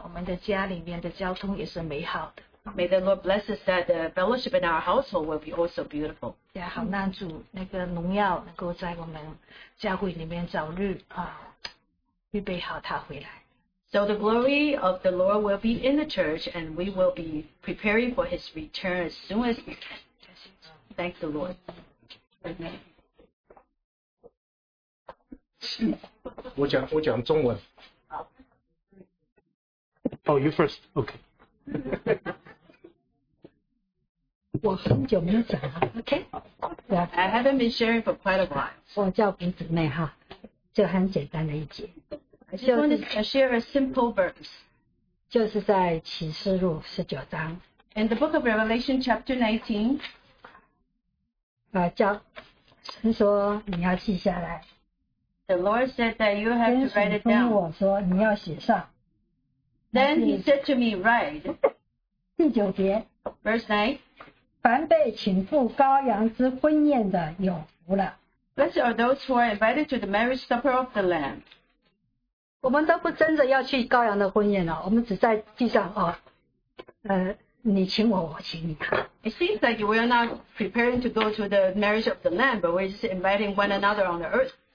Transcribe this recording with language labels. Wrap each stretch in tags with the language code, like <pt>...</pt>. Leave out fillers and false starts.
<zh>现在主主帮助我们，我们的家里面的交通也是美好的。</zh> <en>May the Lord bless us that the fellowship in our household will be also beautiful. Yeah,</en> <zh>好，那主那个荣耀能够在我们教会里面早日预备好他回来。</zh> <en>So the glory of the Lord will be in the church, and we will be preparing for His return as soon as we can. Thank the Lord. Amen.</en> <zh>我讲中文。好。</zh> <en>Oh, you first. Okay.</en> <zh>我很久没有讲了，</zh> <en>OK？ I haven't been sharing for quite a while.</en> <zh>我叫彼得内，就很简单的一节。</zh> <en>I just want to share a simple verse.</en> <zh>就是在启示录19章。</zh> <en>In the book of Revelation chapter 19.</en> <zh>神说你要记下来。</zh> <en>The Lord said that you have to write it down.</en> <zh>天使吩咐我说你要写上。</zh> <en>Then he said to me, write.</en> <zh>第9节。</zh> <en>Verse 9.</en> <zh>凡被请赴羔羊之婚宴的有福了。</zh> <en>Blessed are those who are invited to the marriage supper of the Lamb.</en> <zh>我们都不争着要去羔羊的婚宴了，我们只在地上，你请我，我请你。</zh> <en>It seems like we are not preparing to go to the marriage of the Lamb, but we're just inviting one another on the earth.</en>